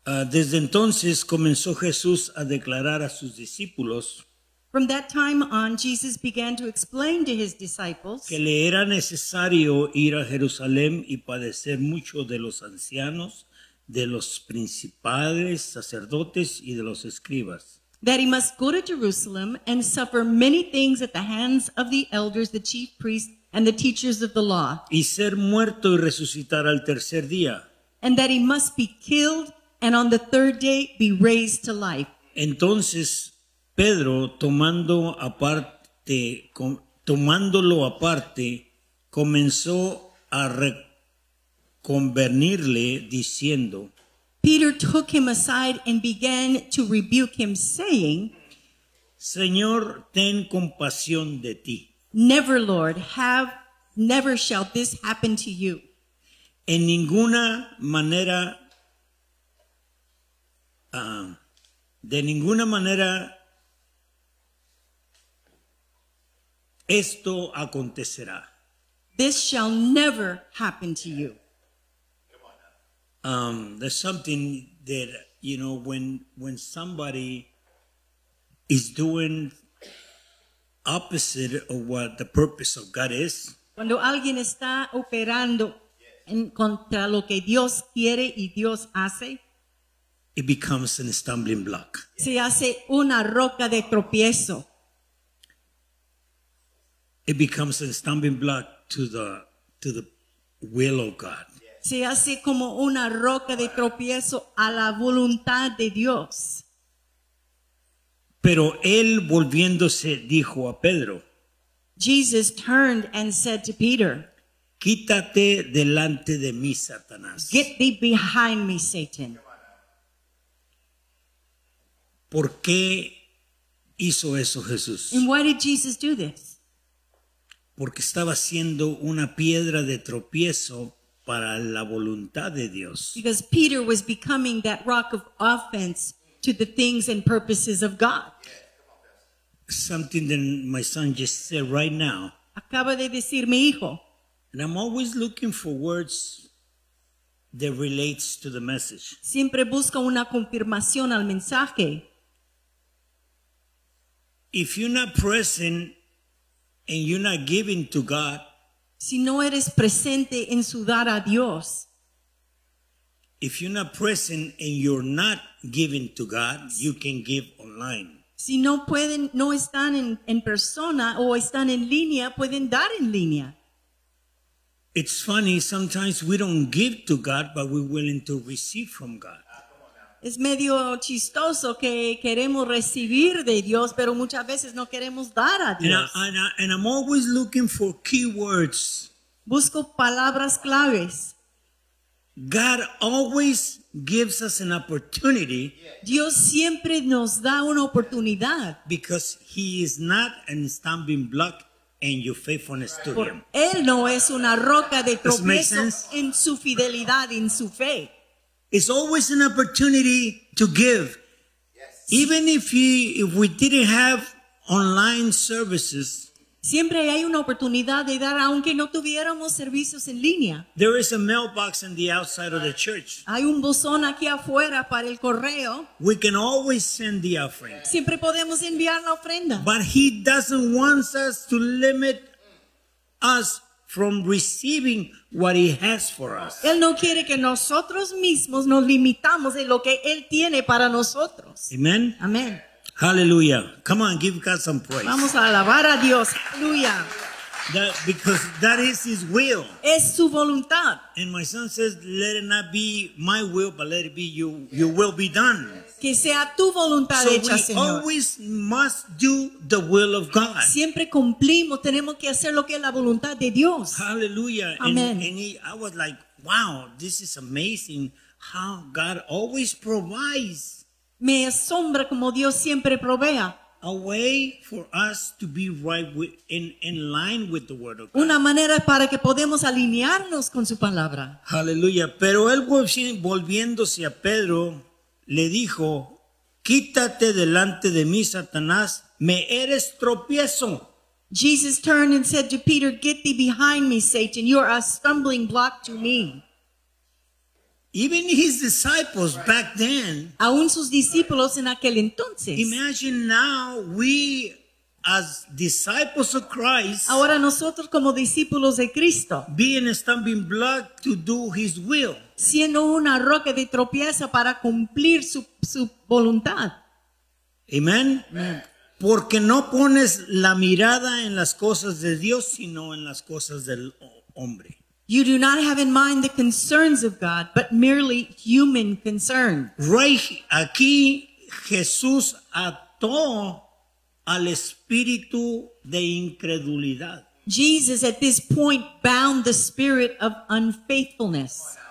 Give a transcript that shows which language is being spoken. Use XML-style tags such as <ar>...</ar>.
<es>Desde entonces comenzó Jesús a declarar a sus discípulos.</es> <en>From that time on, Jesus began to explain to his disciples</en> <es>que le era necesario ir a Jerusalén y padecer mucho de los ancianos, de los principales sacerdotes y de los escribas.</es> <en>That he must go to Jerusalem and suffer many things at the hands of the elders, the chief priests, and the teachers of the law.</en> <es>Y ser muerto y resucitar al tercer día.</es> <en>And that he must be killed and on the third day be raised to life.</en> <es>Entonces Pedro, tomándolo aparte, comenzó a reconvenirle diciendo.</es> <en>Peter took him aside and began to rebuke him, saying,</en> <es>Señor, ten compasión de ti.</es> <en>Never, Lord, never shall this happen to you.</en> <es>En ninguna manera, de ninguna manera, esto acontecerá.</es> <en>This shall never happen to you. There's something that, you know, when somebody is doing opposite of what the purpose of God is.</en> <es>Cuando alguien está operando en contra lo que Dios quiere y Dios hace,</es> <en>it becomes a stumbling block.</en> <es>Se hace una roca de tropiezo.</es> <en>It becomes a stumbling block to the will of God.</en> <es>Se hace como una roca de tropiezo a la voluntad de Dios. Pero él volviéndose dijo a Pedro.</es> <en>Jesus turned and said to Peter.</en> <es>Quítate delante de mí, Satanás.</es> <en>Get thee behind me, Satan.</en> <es>¿Por qué hizo eso Jesús?</es> <en>And why did Jesus do this?</en> <es>Porque estaba siendo una piedra de tropiezo para la voluntad de Dios.</es> <en>Because Peter was becoming that rock of offense to the things and purposes of God. Something that my son just said right now.</en> <es>Acaba de decir mi hijo.</es> <en>And I'm always looking for words that relates to the message.</en> <es>Siempre busca una confirmación al mensaje.</es> <en>If you're not present and you're not giving to God,</en> <es>si no eres presente en su dar a Dios,</es> <en>if you're not present and you're not giving to God, you can give online.</en> <es>Si no pueden, no están en persona o están en línea, pueden dar en línea.</es> <en>It's funny, sometimes we don't give to God, but we're willing to receive from God.</en> <es>Es medio chistoso que queremos recibir de Dios, pero muchas veces no queremos dar a Dios.</es> <en>And I'm always looking for keywords.</en> <es>Busco palabras claves.</es> <en>God always gives us an opportunity.</en> <es>Dios siempre nos da una oportunidad.</es> <en>Because he is not a stumbling block in your faithfulness to him.</en> <es>Él no es una roca de tropiezo en su fidelidad, en su fe.</es> <en>It's always an opportunity to give. Yes. Even if we didn't have online services.</en> <es>Siempre hay una oportunidad de dar, aunque no tuviéramos servicios en línea.</es> <en>There is a mailbox on the outside of the church.</en> <es>Hay un buzón aquí afuera para el correo.</es> <en>We can always send the offering.</en> <es>Siempre podemos enviar la ofrenda.</es> <en>But he doesn't want us to limit us from receiving what he has for us.</en> <es>Él no quiere que nosotros mismos nos limitamos en lo que él tiene para nosotros. Amen. Amen.</es> <en>Hallelujah. Come on, give God some praise.</en> <es>Vamos a alabar a Dios. Hallelujah.</es> <en>Because that is his will.</en> <es>Es su voluntad.</es> <en>And my son says, let it not be my will, but let it be your will be done.</en> <es>Que sea tu voluntad</es> <en>so</en> <es>hecha,</es> <en>we</en> <es>Señor.</es> <en>Always must do the will of God.</en> <es>Siempre cumplimos, tenemos que hacer lo que es la voluntad de Dios. Hallelujah. Amen.</es> <en>I was like, wow, this is amazing how God always provides.</en> <es>Me asombra como Dios siempre provea.</es> <en>A way for us to be right with, in line with the word of God.</en> <es>Una manera para que podamos alinearnos con su palabra. Hallelujah. Pero él volviéndose a Pedro, le dijo, quítate delante de mí, Satanás, me eres tropiezo.</es> <en>Jesus turned and said to Peter, get thee behind me, Satan, you are a stumbling block to me. Even his disciples back then.</en> <es>Aún sus discípulos en aquel entonces.</es> <en>Imagine now we as disciples of Christ.</en> <es>Ahora nosotros como discípulos de Cristo.</es> <en>Being a stumbling block to do his will.</en> <es>Siendo una roca de tropiezo para cumplir su voluntad. Amen. Amen. Porque no pones la mirada en las cosas de Dios, sino en las cosas del hombre.</es> <en>You do not have in mind the concerns of God, but merely human concern.</en> <es>Right aquí, Jesús ató al espíritu de incredulidad.</es> <en>Jesus at this point bound the spirit of unfaithfulness.</en>